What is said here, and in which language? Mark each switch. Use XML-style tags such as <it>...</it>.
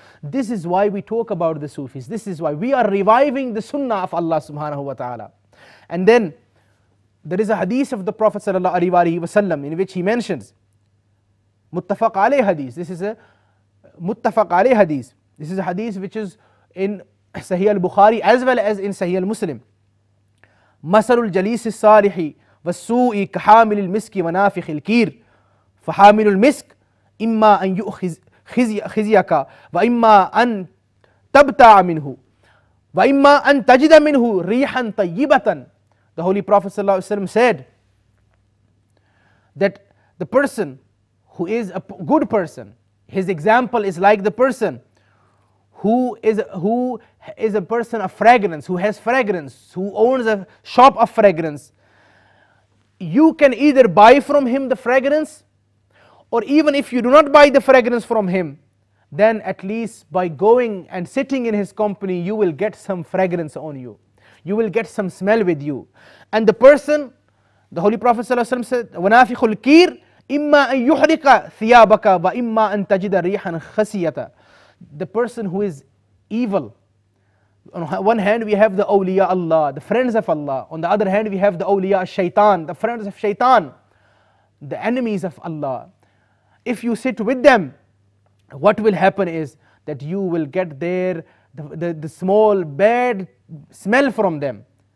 <en>This is why we talk about the Sufis. This is why we are reviving the sunnah of Allah subhanahu wa ta'ala. And then there is a hadith of the Prophet sallallahu alaihi wasallam in which he mentions muttafaq alayhi hadith. This is a muttafaq alayhi hadith. This is a hadith which is in Sahih al-Bukhari as well as in Sahih al-Muslim.</en> <ar>مثل الجليس الصالح والسوء كحامل المسك ونافخ الكير فحامل المسك إما أن يؤخذ خزيك وإما أن تبتع منه وإما أن تجد منه ريحا طيبة.</ar> <en>The Holy Prophet صلى الله عليه وسلم said that the person who is a good person, his example is like the person who is a person of fragrance, who has fragrance, who owns a shop of fragrance. You can either buy from him the fragrance, or even if you do not buy the fragrance from him, then at least by going and sitting in his company, you will get some fragrance on you. You will get some smell with you. And the person, the Holy Prophet said,</en> <ar>وَنَافِخُ الْكِيرِ إِمَّا أَن يُحْرِقَ ثِيَابَكَ وَإِمَّا أَن تَجِدَ رِيحًا خَسِيَةً.</ar> <en>The person who is evil. On one hand, we have the awliya Allah, the friends of Allah. On the other hand, we have the awliya shaitan, the friends of shaitan, the enemies of Allah. If you sit with them, what will happen is that you will get the small bad smell from them.</en>